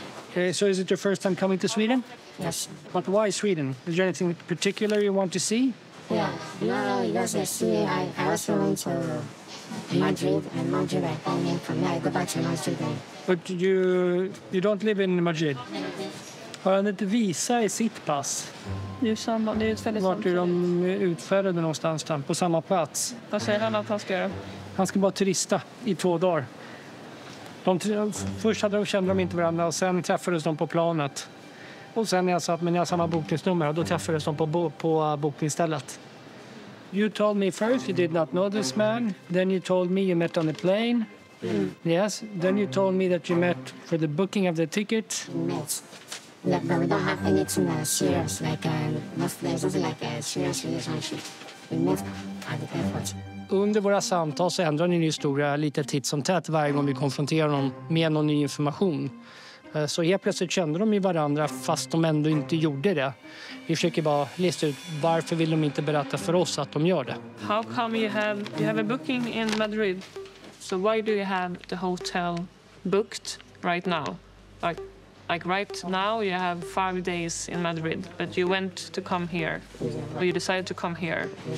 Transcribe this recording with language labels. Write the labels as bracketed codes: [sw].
[en] Okay, so is it your first time coming to Sweden? Yes. But why Sweden? Is there anything particular you want to see? Yeah, no, because I see, I also went to Madrid, and Madrid, I came in from there, I go back to Madrid. But you don't live in Madrid? [sv] Har han ett visa i sitt pass? Vart är de utfärdade någonstans där, på samma plats? Vad säger han att han ska göra? Han ska bara turista i två dagar. Först hade de kände de inte varandra och sen träffades de på planet. Och sen när jag sa att jag har samma bokningsnummer, då träffades de på bokningsstället. [en] You told me first you did not know this man. Then you told me you met on the plane. Mm. Yes. Then you told me that you met for the booking of the ticket. Met. But we don't have any serious, like, most places, like, serious relationship. We met at the airport. [sv] Under våra samtal så ändrar ni historia lite titt som tätt varje gång vi konfronterar dem med någon ny information. Så helt plötsligt kände de ju varandra fast de ändå inte gjorde det. Vi försöker bara lista ut varför vill de inte berätta för oss att de gör det. [en] How come you have a booking in Madrid? So why do you have the hotel booked right now? Like right now you have 5 days in Madrid, but you went to come here. Or you decided to come here.